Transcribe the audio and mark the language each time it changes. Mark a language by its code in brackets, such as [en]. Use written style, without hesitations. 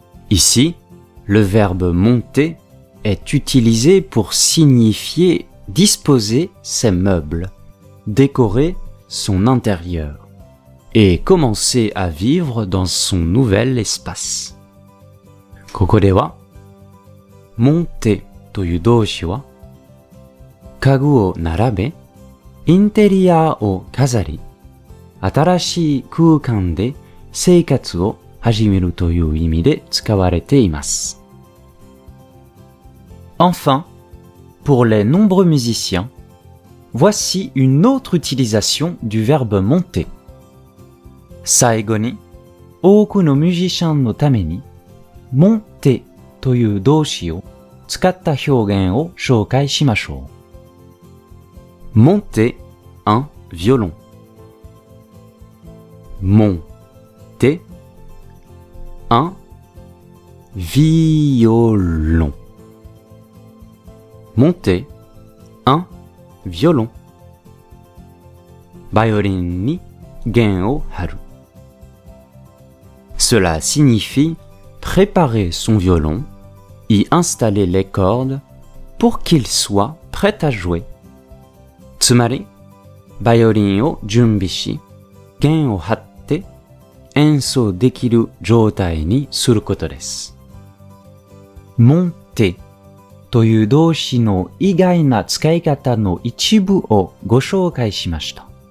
[fr] Ici, le verbe monter est utilisé pour signifier disposer ses meubles, décorer son intérieur. Et commencer à vivre dans son nouvel espace. [ja] ここでは、monter という動詞は、家具を並べ、インテリアを飾り、新しい空間で生活を始めるという意味で使われています。 [fr] Enfin, pour les nombreux musiciens, voici une autre utilisation du verbe monter. [ja] 最後に、多くのミュージシャンのために、monter という動詞を使った表現を紹介しましょう。 [fr] monter un violon。 monter un violon。 monter un violon。 [ja] バイオリンに弦を張る。 [fr] Cela signifie préparer son violon, y installer les cordes pour qu'il soit prêt à jouer. [ja] つまり、バイオリンを準備し、弦を張って演奏できる状態にすることです。 Monter という動詞の意外な使い方の一部をご紹介しました。